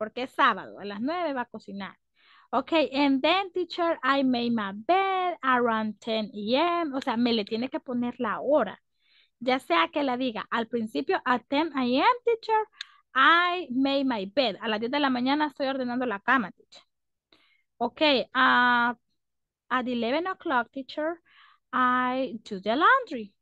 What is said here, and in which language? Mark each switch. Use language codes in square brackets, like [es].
[es] porque es sábado, a las 9 va a cocinar. [en] Okay, and then, teacher, I make my bed around 10 a.m. [es] O sea, me le tiene que poner la hora. Ya sea que la diga al principio, [en] at 10 a.m., teacher, I make my bed. [es] A las 10 de la mañana estoy ordenando la cama, teacher. [en] Okay, at 11 o'clock, teacher, I do the laundry.